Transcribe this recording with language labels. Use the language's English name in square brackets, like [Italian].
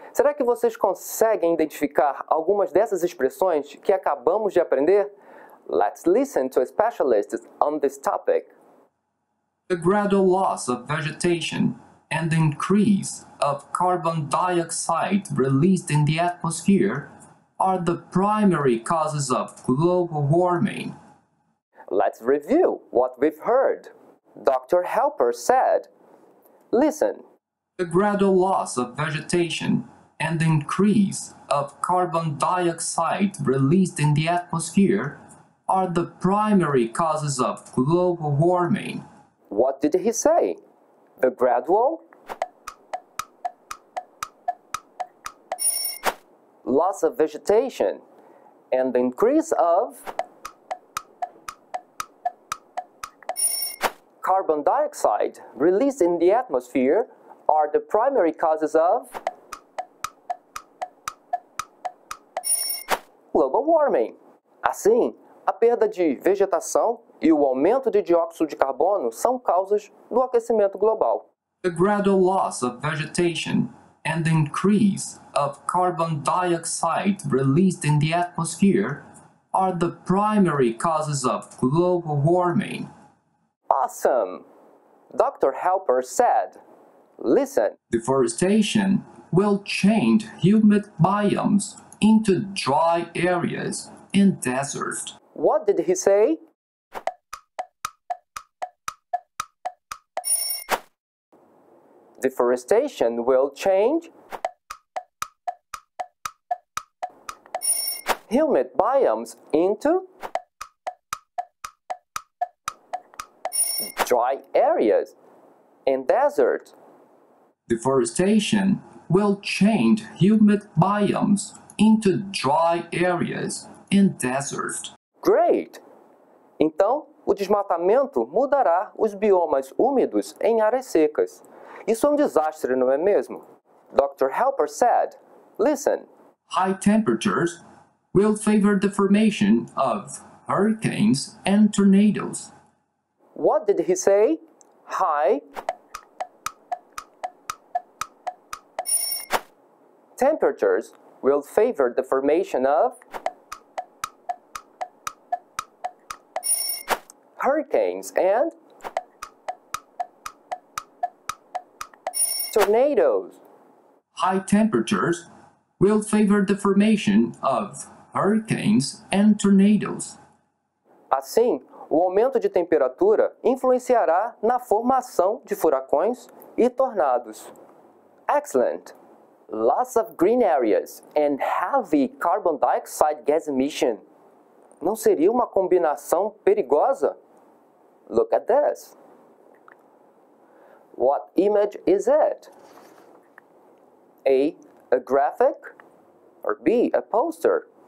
[Portuguese] Será que vocês conseguem identificar algumas dessas expressões que acabamos de aprender? [English] Let's listen to specialists on this topic. The gradual loss of vegetation and the increase of carbon dioxide released in the atmosphere are the primary causes of global warming. Let's review what we've heard. Dr. Helper said, listen. The gradual loss of vegetation and the increase of carbon dioxide released in the atmosphere are the primary causes of global warming. What did he say? The gradual loss of vegetation and the increase of carbon dioxide released in the atmosphere are the primary causes of global warming. [Portuguese] Assim, a perda de vegetação e o aumento de dióxido de carbono são causas do aquecimento global. [English] The gradual loss of vegetation and the increase of carbon dioxide released in the atmosphere are the primary causes of global warming. Awesome! Dr. Helper said, listen. Deforestation will change humid biomes into dry areas and deserts. What did he say? Deforestation will change humid biomes into dry areas and desert. Deforestation will change humid biomes into dry areas and desert. Great! [Portuguese] Então, o desmatamento mudará os biomas úmidos em áreas secas. Isso é um desastre, não é mesmo? [English] Dr. Helper said, listen. High temperatures will favor the formation of hurricanes and tornadoes. What did he say? High temperatures will favor the formation of hurricanes and tornadoes. High temperatures will favor the formation of hurricanes and tornadoes. [Portuguese] Assim, o aumento de temperatura influenciará na formação de furacões e tornados. [English] Excellent! Lots of green areas and heavy carbon dioxide gas emission. [Portuguese] Não seria uma combinação perigosa? [English] Look at this. What image is it? A graphic or B, a poster?